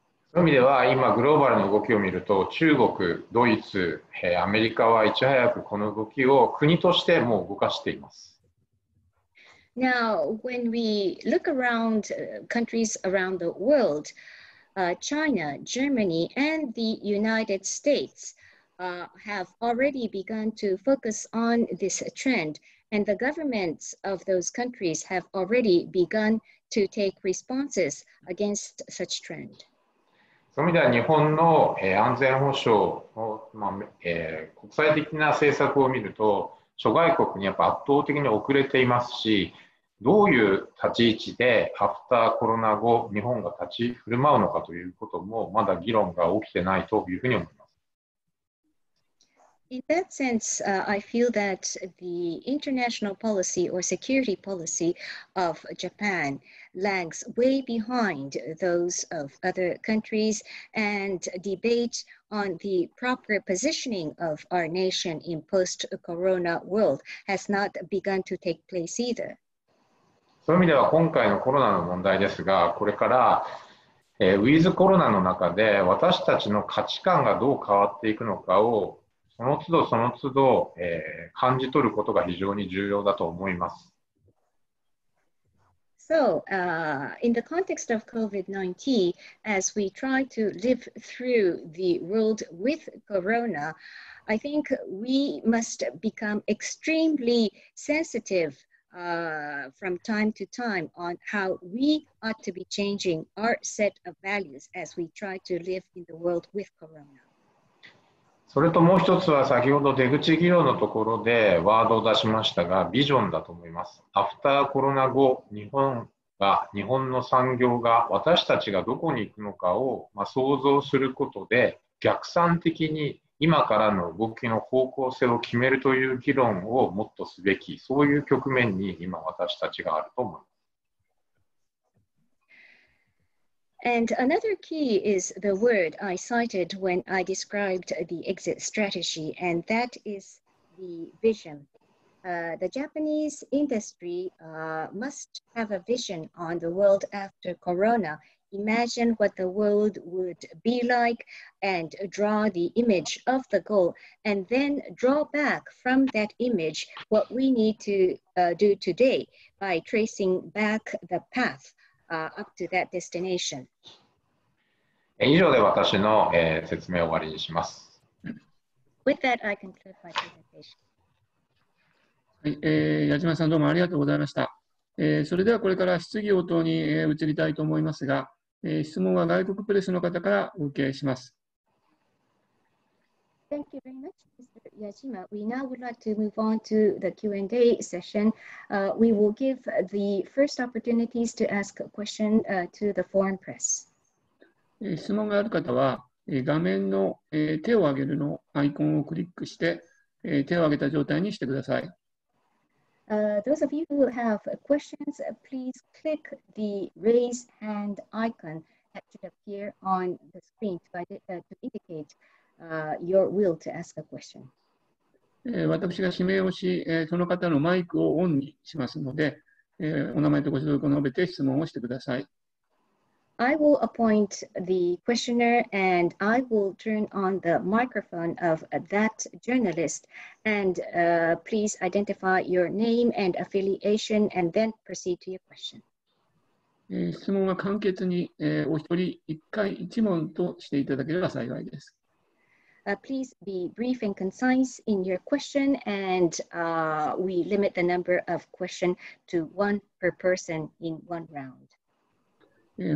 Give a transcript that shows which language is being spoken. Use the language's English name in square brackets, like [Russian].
[Japanese] その意味では今グローバルの動きを見ると中国、ドイツ、アメリカはいち早くこの動きを国としてもう動かしています。 [English] Now, when we look around countries around the world, China, Germany, and the United States,have already begun to focus on this trend, and the governments of those countries have already begun to take responses against such trend. [Japanese] そういう意味では日本の、安全保障の、国際的な政策を見ると、諸外国にやっぱ圧倒的に遅れていますし、どういう立ち位置でアフターコロナ後、日本が立ち振る舞うのかということも、まだ議論が起きてないというふうに思います。 [English] In that sense,、I feel that the international policy or security policy of Japan lags way behind those of other countries, and debate on the proper positioning of our nation in post-corona world has not begun to take place either. [Japanese] そういう意味では今回のコロナの問題ですが、これからウィズコロナの中で私たちの価値観がどう変わっていくのかをその都度その都度、感じ取ることが非常に重要だと思います。 [English] So, in the context of COVID-19, as we try to live through the world with Corona, I think we must become extremely sensitive, from time to time on how we ought to be changing our set of values as we try to live in the world with Corona. [Japanese] それともう一つは先ほど出口議論のところでワードを出しましたがビジョンだと思います。アフターコロナ後日本の産業が私たちがどこに行くのかを、想像することで逆算的に今からの動きの方向性を決めるという議論をもっとすべき、そういう局面に今私たちがあると思います。 [English] And another key is the word I cited when I described the exit strategy, and that is the vision. The Japanese industry must have a vision on the world after Corona. Imagine what the world would be like and draw the image of the goal, and then draw back from that image what we need to do today by tracing back the path. Up to that destination. [Japanese] 以上で私の、説明を終わりにします。 [English] With that, I conclude my presentation. [Japanese] 矢嶋さんどうもありがとうございました。それではこれから質疑応答に、移りたいと思いますが、質問は外国プレスの方からお受けします。 [English] Thank you very much, Mr. Yajima. We now would like to move on to the Q&A session.、We will give the first opportunities to ask a question、to the foreign press. [Japanese] 質問がある方は、画面の、手を挙げるのアイコンをクリックして、手を挙げた状態にしてください。 [English] Those of you who have questions, please click the raise hand icon that should appear on the screen to indicate your will to ask a question. [Japanese] 私が指名をし、その方のマイクをオンにしますので、お名前とご所属を述べて質問をしてください。 [English] I will appoint the questioner and I will turn on the microphone of that journalist and please identify your name and affiliation and then proceed to your question. [Japanese] 質問は簡潔に、お一人一回一問としていただければ幸いです。 [English] Please be brief and concise in your question and we limit the number of questions to one per person in one round.